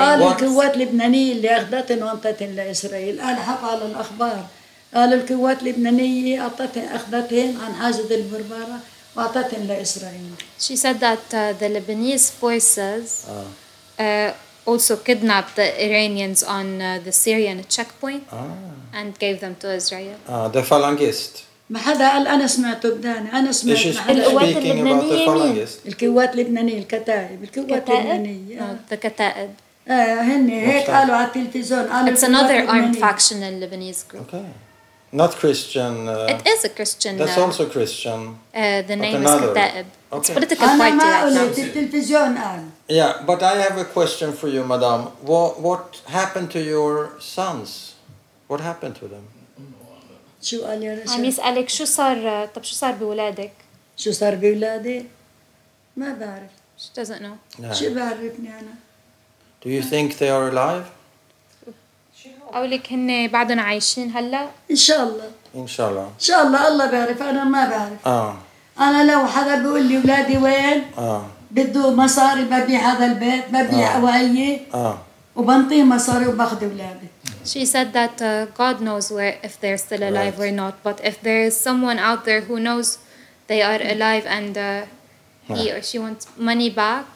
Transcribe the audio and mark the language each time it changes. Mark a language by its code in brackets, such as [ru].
[ar] وقال القوات اللبنانية اللي أخذتهم وانطتهم لإسرائيل. قال حق على الأخبار. قال القوات اللبنانية أخذتهم عن حاجز البربارة وعطتهم لإسرائيل. [en] She said that the Lebanese forces also kidnapped the Iranians on the Syrian checkpoint and gave them to Israel. The Falangist. [ar] ما حدا قال أنا سمعت بداني أنا سمعت القوات اللبنانية مين؟ القوات اللبنانية الكتائب القوات اللبنانية [en] the كتائب [ar] هني هيك قالوا على التلفزيون قالوا [en] it's another armed faction in Lebanese group okay not Christian it is a Christian that's also Christian the name is كتائب it's political party [ar] أنا ما قلت التلفزيون قال [en] yeah but I have a question for you madam what happened to your sons what happened to them [ar] شو قال يا رشا؟ عم يسألك شو صار طب شو صار بولادك؟ شو صار بولادي؟ ما بعرف. [en] She doesn't know. No. [ar] شو بعرفني أنا؟ [en] Do you think they are alive? [ar] أقول لك هن بعدهم عايشين هلا؟ إن شاء الله. إن شاء الله. إن شاء الله الله بعرف أنا ما بعرف. أنا لو حدا بيقول لي ولادي وين؟ بده مصاري ببيع هذا البيت ببيع أوعية. وبنطي مصاري وباخد أولادي. [en] She said that God knows where if they're still alive right. or not. But if there is someone out there who knows they are alive and he or she wants money back,